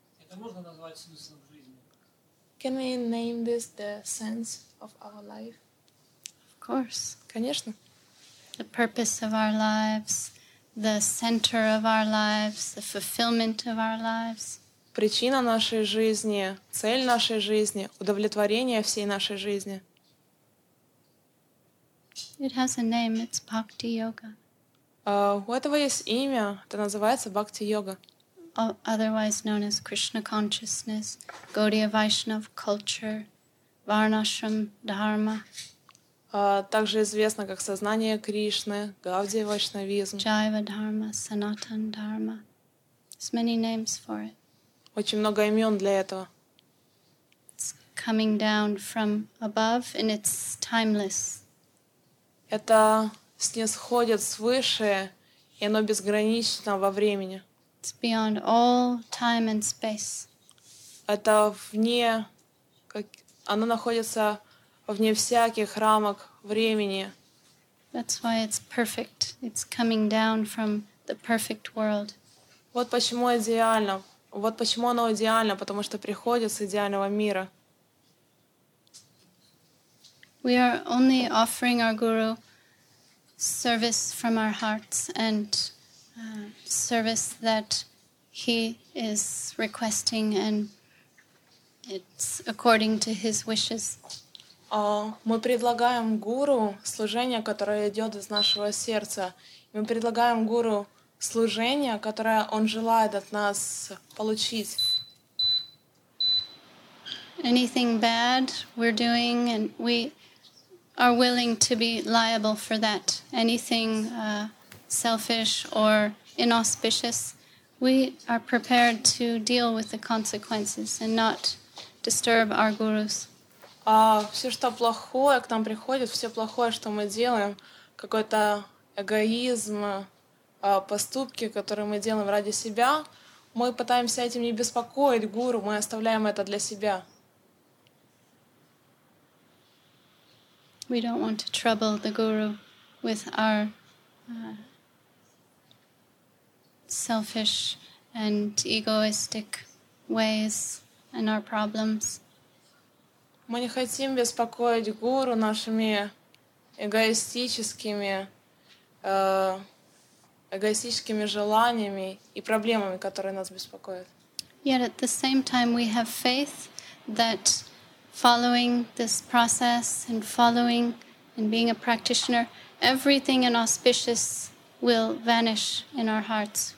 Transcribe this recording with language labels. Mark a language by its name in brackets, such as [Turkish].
[English] Can we name this the sense of our life? Of course. [Russian] Конечно. [English] The purpose of our lives, the center of our lives, the fulfillment of our lives. [Russian] Причина нашей жизни, цель нашей жизни, удовлетворение всей нашей жизни. [English] It has a name. It's Bhakti Yoga. [Russian] У этого есть имя. Это называется Bhakti Yoga. [English] Otherwise known as Krishna consciousness, Gaudiya Vaishnav culture, Varnashram dharma. [Russian] Также известно как сознание Кришны, Гаудия Вайшнавизм. [English] Jiva dharma, Sanatan dharma. There's many names for it. [Russian] Очень много имен для этого. [English] It's coming down from above and it's timeless. [Russian] Это снисходит свыше, и оно безгранично во времени. [English] It's beyond all time and space. [Russian] Это вне, как оно находится вне всяких рамок времени. [English] That's why it's perfect. It's coming down from the perfect world. [Russian] Вот почему идеально. Вот почему оно идеально, потому что приходит с идеального мира. [English] We are only offering our guru service from our hearts and service that he is requesting and it's according to his wishes. [Russian] Мы предлагаем гуру служение, которое идет из нашего сердца. Мы предлагаем гуру служение, которое он желает от нас получить. [English] Anything bad we're doing and we are willing to be liable for that. Anything selfish or inauspicious, we are prepared to deal with the consequences and not disturb our gurus. [Russian] Все, что плохое к нам приходит, все плохое, что мы делаем, какой-то эгоизм, поступки, которые мы делаем ради себя, мы пытаемся этим не беспокоить гуру, мы оставляем это для себя. [English] We don't want to trouble the guru with our selfish and egoistic ways and our problems. [Russian] Мы не хотим беспокоить гуру нашими эгоистическими желаниями и проблемами, которые нас беспокоят. [English] Yet at the same time we have faith that following this process and following and being a practitioner, everything inauspicious will vanish in our hearts.